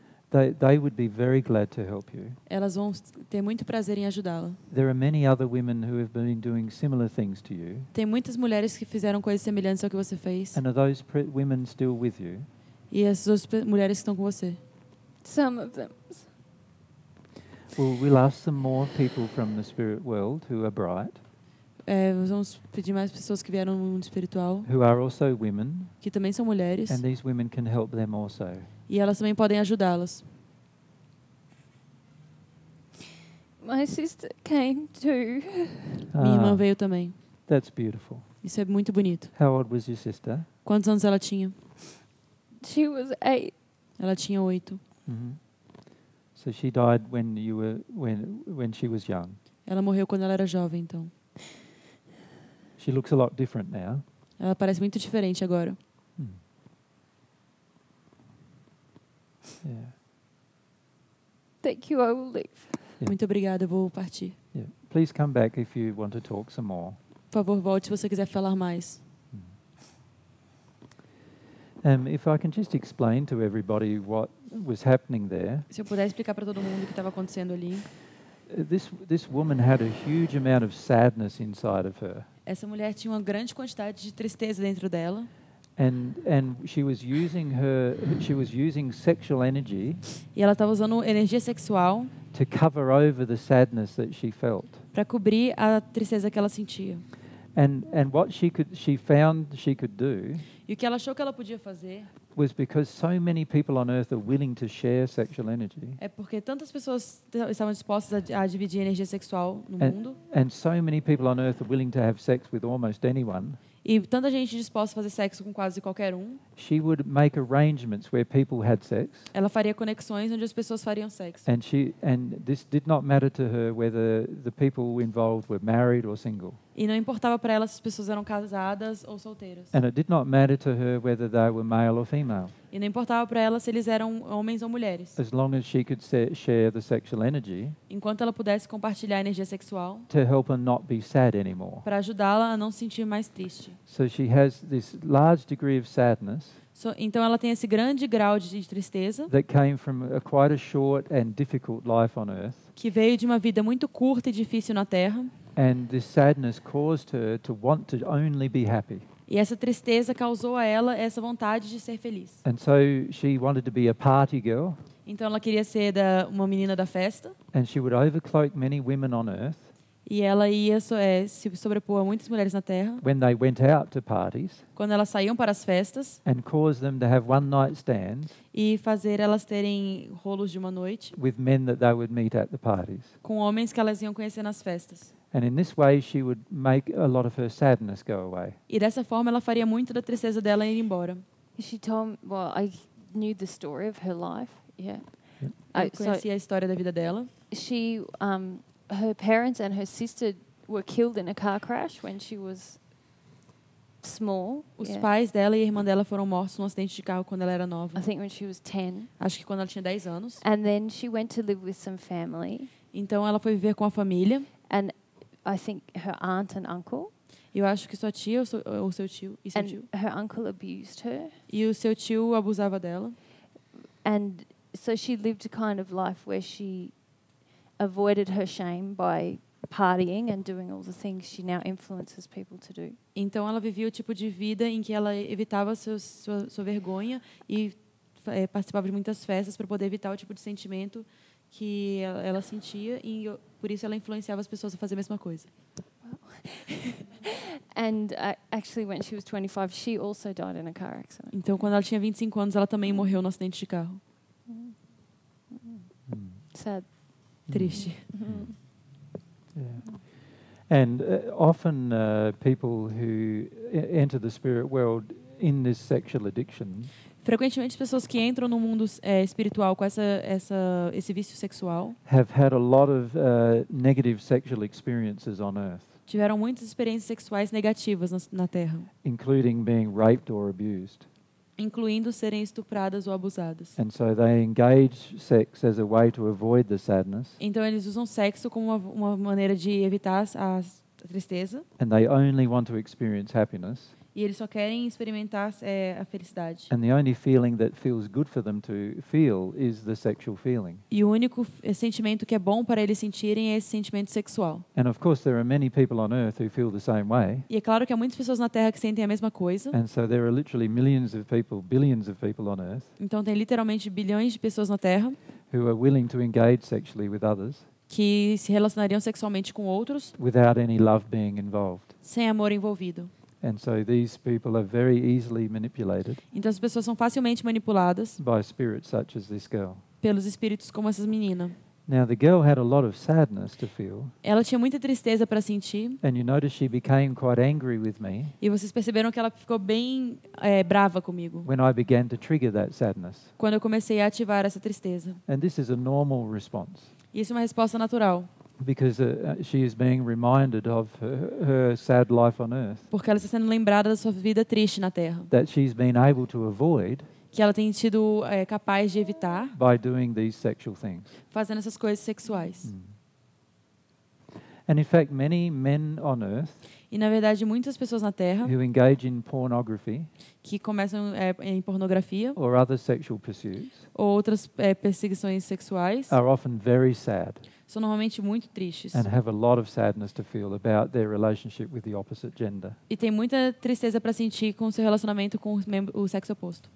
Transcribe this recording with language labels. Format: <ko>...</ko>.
<en>They would be very glad to help you.</en> <pt>Elas vão ter muito prazer em ajudá-la.</pt> <en>There are many other women who have been doing similar things to you.</en> <pt>Tem muitas mulheres que fizeram coisas semelhantes ao que você fez.</pt> <en>And are those women still with you?</en> <pt>E essas duas mulheres estão com você?</pt> <en>Some of them. Well, we'll ask some more people from the spirit world who are bright.</en> <pt>Nós vamos pedir mais pessoas que vieram no mundo espiritual.</pt> <en>Who are also women,</en> <pt>que também são mulheres.</pt> <en>And these women can help them also.</en> <pt>E elas também podem ajudá-las.</pt> <en>My sister came too.</en> <pt>Minha irmã veio também.</pt> <en>That's beautiful.</en> <pt>Isso é muito bonito.</pt> <en>How old was your sister?</en> <pt>Quantos anos ela tinha?</pt> <en>She was 8.</en> <pt>Ela tinha 8.</pt> <en>Mm-hmm. So she died when she was young.</en> <pt>Ela morreu quando ela era jovem, então.</pt> <en>She looks a lot different now.</en> <pt>Ela parece muito diferente agora.</pt> <en>Yeah. Thank you. I will leave.</en> <pt>Yeah. Muito obrigada. Eu vou partir.</pt> <en>Yeah. Please come back if you want to talk some more.</en> <pt>Por favor, volte se você quiser falar mais.</pt> <en>If I can just explain to everybody what was happening there.</en> <pt>Se eu puder explicar para todo mundo o que estava acontecendo ali.</pt> <en>This woman had a huge amount of sadness inside of her.</en> <pt>Essa mulher tinha uma grande quantidade de tristeza dentro dela.</pt> <en>And she was using sexual energy.</en> <pt>E ela estava usando energia sexual.</pt> <en>To cover over the sadness that she felt.</en> <pt>Para cobrir a tristeza que ela sentia.</pt> <en>And what she found she could do.</en> <pt>E o que ela achou que ela podia fazer?</pt> <en>Was because so many people on earth are willing to share sexual energy.</en> <pt>É porque tantas pessoas estavam dispostas a dividir energia sexual no mundo.</pt> <en>And so many people on earth are willing to have sex with almost anyone.</en> <pt>E tanta gente disposta a fazer sexo com quase qualquer um.</pt> <en>She would make arrangements where people had sex.</en> <pt>Ela faria conexões onde as pessoas fariam sexo.</pt> <en>And this did not matter to her whether the people involved were married or single.</en> <pt>E não importava para ela se as pessoas eram casadas ou solteiras.</pt> <en>And it did not matter to her whether they were male or female.</en> <pt>E não importava para ela se eles eram homens ou mulheres.</pt> <en>As long as she could share the sexual energy.</en> <pt>Enquanto ela pudesse compartilhar a energia sexual.</pt> <en>To help her not be sad anymore.</en> <pt>Para ajudá-la a não se sentir mais triste.</pt> <en>So she has this large degree of sadness. So,</en> <pt>então ela tem esse grande grau de tristeza.</pt> <en>That came from quite a short and difficult life on earth.</en> <pt>Que veio de uma vida muito curta e difícil na Terra.</pt> <en>And this sadness caused her to want to only be happy.</en> <pt>E essa tristeza causou a ela essa vontade de ser feliz.</pt> <en>And so she wanted to be a party girl.</en> <pt>Então ela queria ser da, uma menina da festa.</pt> <en>And she would overcloak many women on earth.</en> <pt>E ela ia se sobrepor a muitas mulheres na terra.</pt> <en>When they went out to parties.</en> <pt>Quando elas saíam para as festas.</pt> <en>And cause them to have one night stands.</en> <pt>E fazer elas terem rolos de uma noite.</pt> <en>With men that they would meet at the parties.</en> <pt>Com homens que elas iam conhecer nas festas.</pt> <en>And in this way she would make a lot of her sadness go away.</en> <pt>E dessa forma ela faria muito da tristeza dela ir embora.</pt> <en>She told me, well, I knew the story of her life. Yeah.</en> <pt>Eu conhecia a história da vida dela.</pt> <en>She her parents and her sister were killed in a car crash when she was small.</en> <pt>Os pais dela e a irmã dela foram mortos num acidente de carro quando ela era nova.</pt> <en>I think when she was 10.</en> <pt>Acho que quando ela tinha 10 anos.</pt> <en>And then she went to live with some family.</en> <pt>Então ela foi viver com a família.</pt> <en>And I think her aunt and uncle.</en> <pt>Eu acho que sua tia ou seu tio e seu</pt> <en>and</en> <pt>tio.</pt> <en>Her uncle abused her.</en> <pt>E o seu tio abusava dela.</pt> <en>And so she lived a kind of life where she avoided her shame by partying and doing all the things she now influences people to do.</en> <pt>Então ela vivia o tipo de vida em que ela evitava sua vergonha e participava de muitas festas para poder evitar o tipo de sentimento que ela sentia e por isso ela influenciava as pessoas a fazer a mesma coisa.</pt> <en>And actually when she was 25 she also died in a car accident.</en> <pt>Então quando ela tinha 25 anos ela também morreu num acidente de carro.</pt> <en>Sad.</en> <pt>Triste.</pt> <en>Yeah. And often people who enter the spirit world in this sexual addiction.</en> <pt>Frequentemente pessoas que entram no mundo espiritual com esse vício sexual.</pt> <en>Have had a lot of negative sexual experiences on earth.</en> <pt>Tiveram muitas experiências sexuais negativas na Terra.</pt> <en>Including being raped or abused.</en> <pt>Incluindo serem estupradas ou abusadas.</pt> <en>And so they engage sex as a way to avoid the sadness.</en> <pt>Então eles usam sexo como uma maneira de evitar a tristeza.</pt> <en>And they only want to experience happiness.</en> <pt>E eles só querem experimentar a felicidade.</pt> <en>And the only feeling that feels good for them to feel is the sexual feeling.</en> <pt>E o único sentimento que é bom para eles sentirem é esse sentimento sexual.</pt> <en>And of course there are many people on earth who feel the same way.</en> <pt>E é claro que há muitas pessoas na Terra que sentem a mesma coisa.</pt> <en>And so there are literally millions of people, billions of people on earth.</en> <pt>Então tem literalmente bilhões de pessoas na Terra.</pt> <en>Who are willing to engage sexually with others.</en> <pt>Que se relacionariam sexualmente com outros.</pt> <en>Without any love being involved.</en> <pt>Sem amor envolvido.</pt> <en>And so these people are very easily manipulated.</en> <pt>Então as pessoas são facilmente manipuladas.</pt> <en>By spirits such as this girl.</en> <pt>Pelos espíritos como essa menina.</pt> <en>Now the girl had a lot of sadness to feel.</en> <pt>Ela tinha muita tristeza para sentir.</pt> <en>And you notice she became quite angry with me.</en> <pt>E vocês perceberam que ela ficou bem brava comigo.</pt> <en>When I began to trigger that sadness.</en> <pt>Quando eu comecei a ativar essa tristeza.</pt> <en>And this is a normal response.</en> <pt>Isso é uma resposta natural.</pt> <en>Because she is being reminded of her sad life on earth.</en> <pt>Porque ela está sendo lembrada da sua vida triste na Terra.</pt> <en>That she's been able to avoid.</en> <pt>Que ela tem sido capaz de evitar.</pt> <en>By doing these sexual things.</en> <pt>Fazendo essas coisas sexuais.</pt> <en>And in fact, many men on earth.</en> <pt>E na verdade, muitas pessoas na Terra.</pt> <en>Who engage in pornography.</en> <pt>Que começam em pornografia.</pt> <en>Or other sexual pursuits.</en> <pt>Ou outras perseguições sexuais.</pt> <en>Are often very sad.</en> <pt>São normalmente muito tristes.</pt> <en>And have a lot of sadness to feel about their relationship with the opposite gender.</en> <pt>E tem muita tristeza para sentir com seu relacionamento com o sexo oposto.</pt>